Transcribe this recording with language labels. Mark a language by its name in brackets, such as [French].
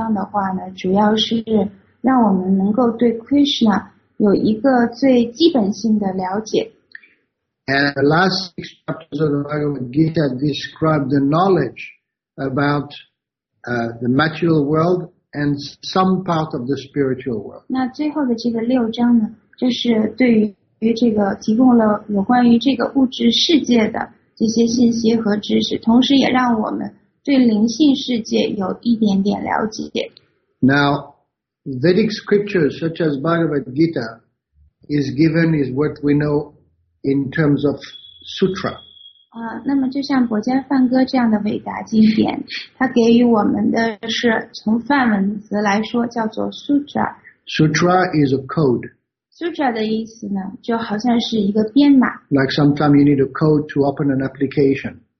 [Chinese] 那中间的这个六章的话呢，主要是让我们能够对 Krishna 有一个最基本性的了解。 [English] And the last six chapters of the Bhagavad Gita describe the knowledge about the material world and some part of the spiritual world. [Chinese] 那最后的这个六章呢，就是对于这个提供了有关于这个物质世界的这些信息和知识，同时也让我们对灵性世界有一点点了解。 [English] Now, Vedic scriptures such as Bhagavad Gita is what we know in terms of sutra. [Chinese] 那么就像伯坚梵歌这样的伟大经典，它给予我们的是从梵文词来说叫做sutra。 [English] Sutra is a code. [Chinese] Sutra 的意思呢，就好像是一个编码。 [English] Like sometimes you need a code to open an application.